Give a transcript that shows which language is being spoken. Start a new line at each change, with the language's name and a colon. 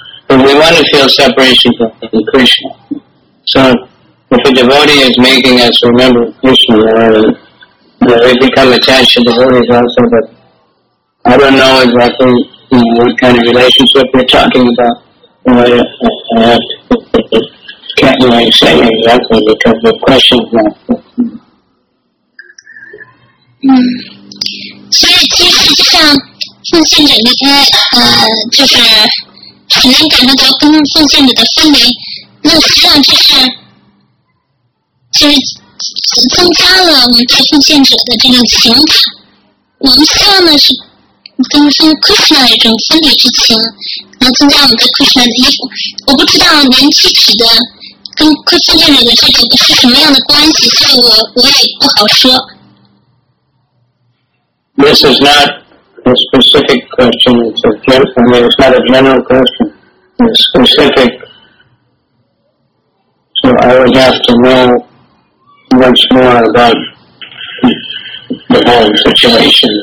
English: But we want to feel separation from Krishna. So if a devotee is making us remember Krishna, they become attached to devotees also, but I don't know exactly what kind of relationship we're talking about. Can't really say exactly because the question is not.
Chinese: 嗯，所以其实就像奉献者那些就是很难感受到跟奉献者的分离，那实际上就是增加了我们对奉献者的这种情感。我们希望呢是跟分 Krishna 一种分离之情，能增加我们对 Krishna 的依附。我不知道您具体的跟奉献者的这种是什么样的关系，所以我也不好说。
English: This is not a specific question, it's not a general question, it's specific. So I would have to know much more about the whole situation.